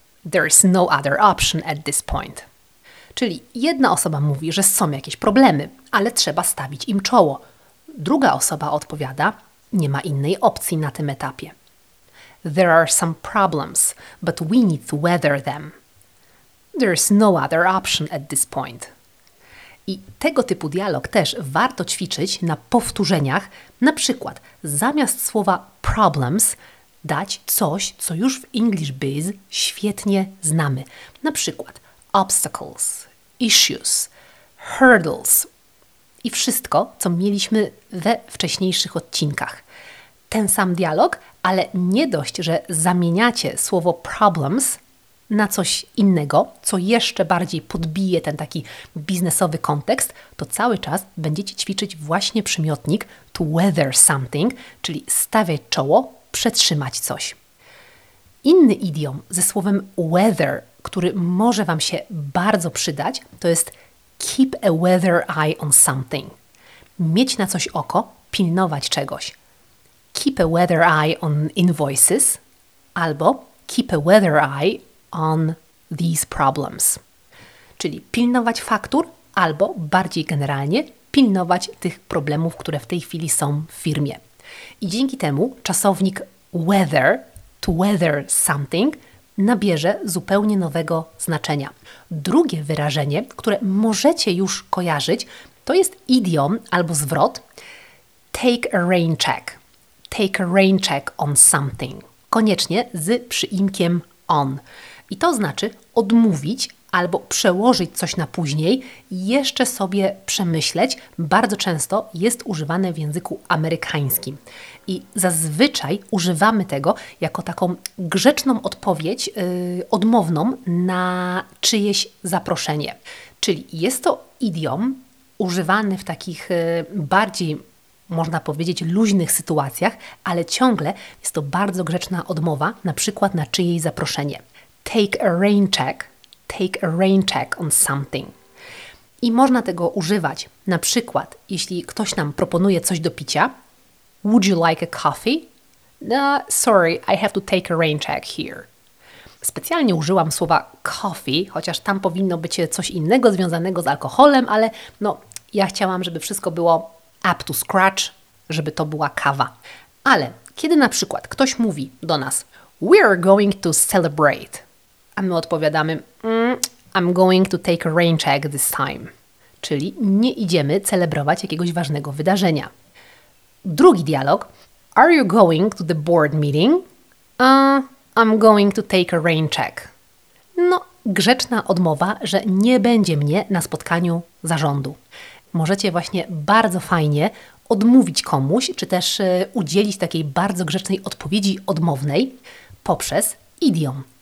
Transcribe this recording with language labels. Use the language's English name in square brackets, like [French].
[English] There's no other option at this point. [Polish] Czyli jedna osoba mówi, że są jakieś problemy, ale trzeba stawić im czoło. Druga osoba odpowiada, nie ma innej opcji na tym etapie. [English] There are some problems, but we need to weather them. There's no other option at this point. [Polish] I tego typu dialog też warto ćwiczyć na powtórzeniach, na przykład zamiast słowa problems dać coś, co już w English Biz świetnie znamy. Na przykład obstacles, issues, hurdles, i wszystko, co mieliśmy we wcześniejszych odcinkach. Ten sam dialog, ale nie dość, że zamieniacie słowo problems na coś innego, co jeszcze bardziej podbije ten taki biznesowy kontekst, to cały czas będziecie ćwiczyć właśnie przymiotnik [English] to weather something, [Polish] czyli stawiać czoło, przetrzymać coś. Inny idiom ze słowem weather, który może Wam się bardzo przydać, to jest [English] keep a weather eye on something. [Polish] Mieć na coś oko, pilnować czegoś. [English] Keep a weather eye on invoices albo keep a weather eye on these problems. [Polish] Czyli pilnować faktur albo bardziej generalnie pilnować tych problemów, które w tej chwili są w firmie. I dzięki temu czasownik weather [English] to weather something [Polish] nabierze zupełnie nowego znaczenia. Drugie wyrażenie, które możecie już kojarzyć, to jest idiom albo zwrot [English] take a rain check. Take a rain check on something. [Polish] Koniecznie z przyimkiem on. I to znaczy odmówić albo przełożyć coś na później, jeszcze sobie przemyśleć, bardzo często jest używane w języku amerykańskim. I zazwyczaj używamy tego jako taką grzeczną odpowiedź, odmowną na czyjeś zaproszenie. Czyli jest to idiom używany w takich bardziej, można powiedzieć, luźnych sytuacjach, ale ciągle jest to bardzo grzeczna odmowa, na przykład na czyjeś zaproszenie. [English] Take a rain check on something. [Polish] I można tego używać, na przykład, jeśli ktoś nam proponuje coś do picia. [English] Would you like a coffee? No, sorry, I have to take a rain check here. [Polish] Specjalnie użyłam słowa coffee, chociaż tam powinno być coś innego związanego z alkoholem, ale no, ja chciałam, żeby wszystko było [English] up to scratch, [Polish] żeby to była kawa. Ale kiedy na przykład ktoś mówi do nas, [English] we're going to celebrate, [Polish] a my odpowiadamy, [English] I'm going to take a rain check this time. [Polish] Czyli nie idziemy celebrować jakiegoś ważnego wydarzenia. Drugi dialog. [English] Are you going to the board meeting? I'm going to take a rain check. [Polish] No, grzeczna odmowa, że nie będzie mnie na spotkaniu zarządu. Możecie właśnie bardzo fajnie odmówić komuś, czy też udzielić takiej bardzo grzecznej odpowiedzi odmownej poprzez idiom.